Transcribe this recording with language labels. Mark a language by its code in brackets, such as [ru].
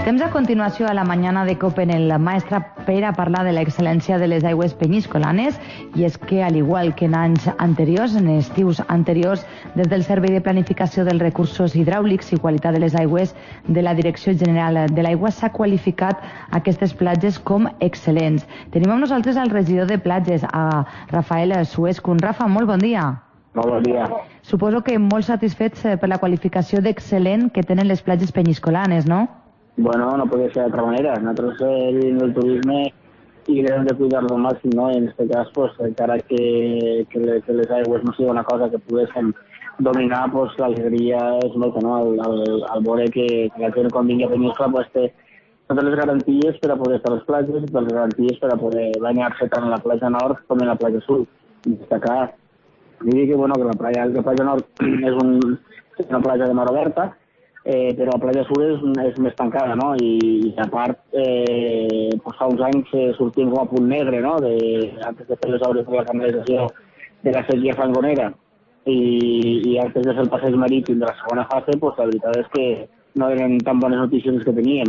[ca] A continuació, a la mañana de COPE, en el Maestrat, per a parlar de l'excel·lència de les aigües peñiscolanes, i és que, al igual que en anys anteriors, en estius anteriors, des del Servei de Planificació dels Recursos Hidràulics i Qualitat de les Aigües de la Direcció General de l'Aigua, s'ha qualificat aquestes platges com excel·lents. Tenim amb nosaltres el regidor de platges, a Rafael Suescun. Rafa, molt bon dia. Molt bon dia. Suposo que molt satisfets per la qualificació d'excel·lent que tenen les platges peñiscolanes, no? [es] Bueno, no puede ser de otra manera. Nosotros vivimos del turismo y debemos de cuidarlo al máximo, ¿no? En este caso, pues, de cara a que [ca] les aigües [es] no sea una cosa que pudiesen dominar, pues, la alegría es mucho, ¿no? Al ver que la gente cuando venga a Peñíscola, pues, tiene las garantías para poder estar a las playas, tiene las garantías para poder bañarse tanto en la playa norte como en la playa sur. Y destacar, diría que, bueno, que la playa norte es una playa de mar oberta, [ca] però la platja sud és més tancada, no? I a part, pues fa uns anys sortim com a punt negre, no? Antes de fer les obres de la canalització de la sèquia Fangonera i antes de fer el passeig marítim de la segona fase, pues la veritat és que no eren tan bones notícies que teníem.